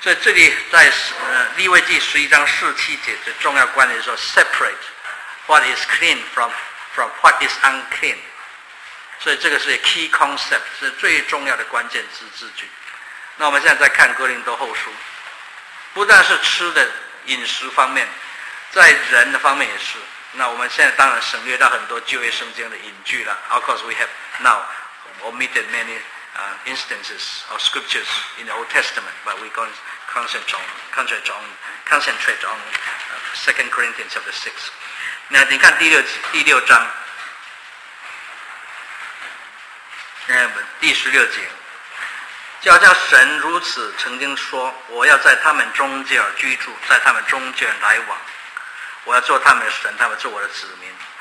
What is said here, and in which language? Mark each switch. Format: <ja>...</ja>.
<zh>所以这里在利未记十一章四七节的重要观点说 ，</zh> <en>separate what is clean from what is unclean。</en> <zh>所以这个是 key concept， 是最重要的关键字字句。那我们现在再看哥林多后书，不但是吃的饮食方面，在人的方面也是。那我们现在当然省略到很多旧约圣经的隐句了。</zh> <en>Of course, we have now omitted many instances of scriptures in the Old Testament, but we're going to concentrate on 2 Corinthians chapter 6.</en> <zh>那你看第六章，第十六节，就好像神如此曾经说：“我要在他们中间居住，在他们中间来往。” 我要做他们的神，他们做我的子民。</zh>